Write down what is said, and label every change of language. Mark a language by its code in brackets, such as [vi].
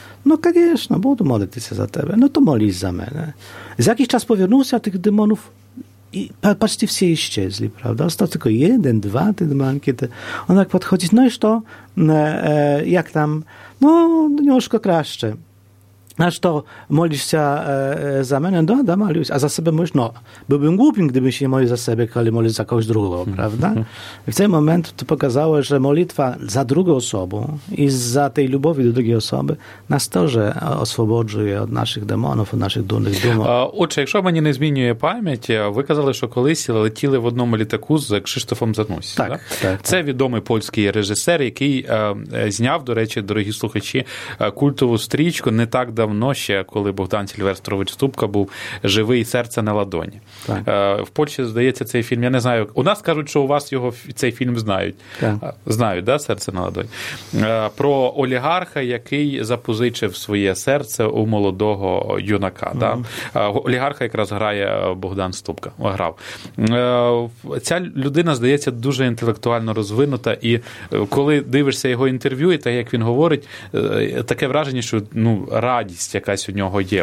[uk] Ну, звісно, буду молитися за тебе. Ну, то молись за мене. За якийсь час повернувся тих демонів, і почти всі іщезли, правда? Остав тільки один, два демонки. Він так підходить, ну і що? Як там? Ну, до нього краще. [pl] A što, molisz się za mnie? No, da, molisz. A za sobie molisz? No, byłbym głupim, gdybym się nie molił za siebie, ale molisz za kogoś drugiego, prawda? W tym momencie to pokazało, że modlitwa za drugą osobę i za tej lubowi do drugiej osoby nas też oswobodzuje od naszych demonów, od naszych dumnych dumów. Otóż, jeśli mnie nie zmieniuje pamięć, wy kazali, że kiedyś letili w jednym litaku z Krzysztofem Zanussi. Tak, da? Tak. To wiadomy polski reżyser, który zniał, do rzeczy, drogi słuchacze, kultową stryczkę nie tak [uk] давно ще, коли Богдан Сільвестрович Ступка був «Живий, серце на ладоні». В Польщі, здається, цей фільм, я не знаю, у нас кажуть, що у вас його, цей фільм знають. Так. Знають, да, «Серце на ладоні». Про олігарха, який запозичив своє серце у молодого юнака. Угу. Да? Олігарха якраз грає Богдан Ступка. Грав. Ця людина, здається, дуже інтелектуально розвинута, і коли дивишся його інтерв'ю, і так, як він говорить, таке враження, що, ну, радість якась у нього є.